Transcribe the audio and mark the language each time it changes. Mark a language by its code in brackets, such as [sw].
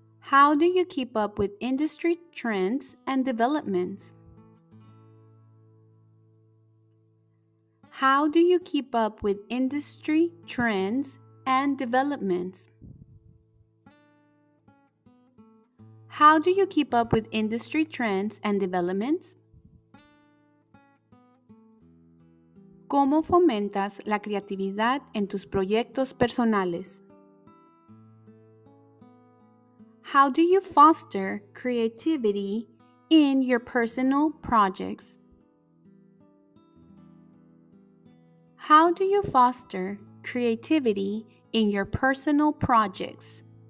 [en] How do you keep up with industry trends and developments? How do you keep up with industry trends and developments? How do you keep up with industry trends and developments? [es] ¿Cómo fomentas la creatividad en tus proyectos personales? [en] How do you foster creativity in your personal projects? How do you foster creativity in your personal projects?